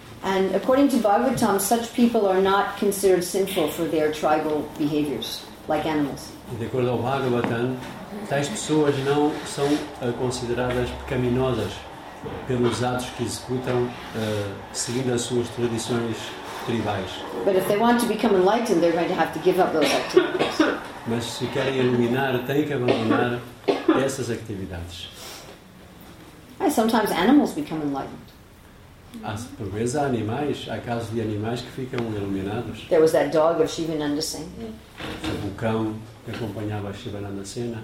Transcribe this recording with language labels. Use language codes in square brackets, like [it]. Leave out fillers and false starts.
[en] And according to Bhagavatam, such people are not considered sinful for their tribal behaviors, like animals. [pt] De acordo ao Bhagavatam, tais pessoas não são consideradas pecaminosas pelos atos que executam seguindo as suas tradições tribais. [en] But if they want to become enlightened, they're going to have to give up those activities. [pt] Mas se querem iluminar, têm que abandonar essas atividades. [en] Sometimes animals become enlightened. [pt] Por vezes há casos de animais que ficam iluminados. [en] There was that dog of Shivananda Sen. Yeah. [pt] O cão que acompanhava Shivananda Sen.